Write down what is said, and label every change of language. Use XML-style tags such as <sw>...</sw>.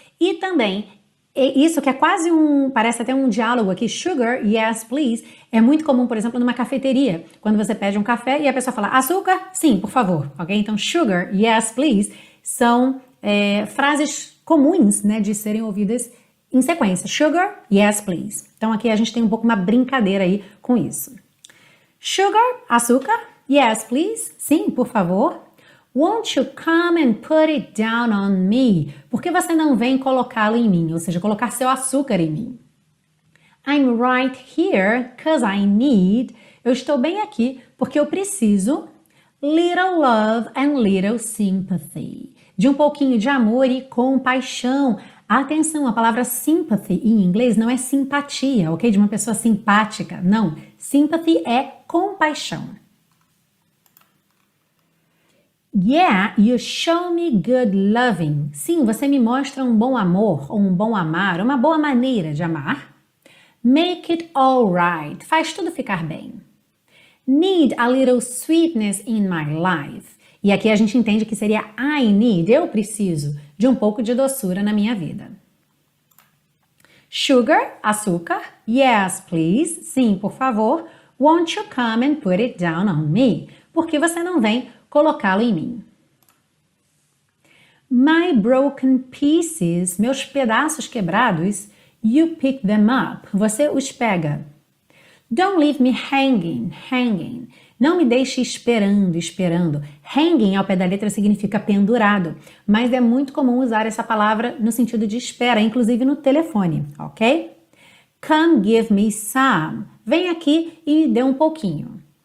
<pt>E também, isso que é quase parece até um diálogo aqui,</pt> <en>sugar, yes, please,</en> <pt>é muito comum, por exemplo, numa cafeteria, quando você pede um café e a pessoa fala, açúcar? Sim, por favor, ok? Então,</pt> <en>sugar, yes, please,</en> <pt>são frases comuns, né, de serem ouvidas em sequência, sugar, yes, please. Então, aqui a gente tem um pouco uma brincadeira aí com isso. Sugar, açúcar?</pt> <en>Yes, please,</en> <pt>sim, por favor.</pt> <en>Won't you come and put it down on me?</en> <pt>Por que você não vem colocá-lo em mim? Ou seja, colocar seu açúcar em mim.</pt> <en>I'm right here 'cause I need.</en> <pt>Eu estou bem aqui porque eu preciso.</pt> <en>Little love and little sympathy.</en> <pt>De um pouquinho de amor e compaixão. Atenção, a palavra sympathy em inglês não é simpatia, ok? De uma pessoa simpática. Não. Sympathy é compaixão.</pt> <en>Yeah, you show me good loving.</en> <pt>Sim, você me mostra um bom amor, ou um bom amar, uma boa maneira de amar.</pt> <en>Make it all right.</en> <pt>Faz tudo ficar bem.</pt> <en>Need a little sweetness in my life.</en> <pt>E aqui a gente entende que seria</pt> <en>I need,</en> <pt>eu preciso de um pouco de doçura na minha vida. Sugar, açúcar.</pt> <en>Yes, please.</en> <pt>Sim, por favor.</pt> <en>Won't you come and put it down on me?</en> <pt>Por que você não vem colocá-lo em mim?</pt> <en>My broken pieces,</en> <pt>meus pedaços quebrados,</pt> <en>you pick them up,</en> <pt>você os pega.</pt> <en>Don't leave me hanging, hanging.</en> <pt>Não me deixe esperando, esperando. Hanging ao pé da letra significa pendurado, mas é muito comum usar essa palavra no sentido de espera, inclusive no telefone, ok?</pt> <en>Come give me some.</en> <pt>Vem aqui e me dê um pouquinho.</pt>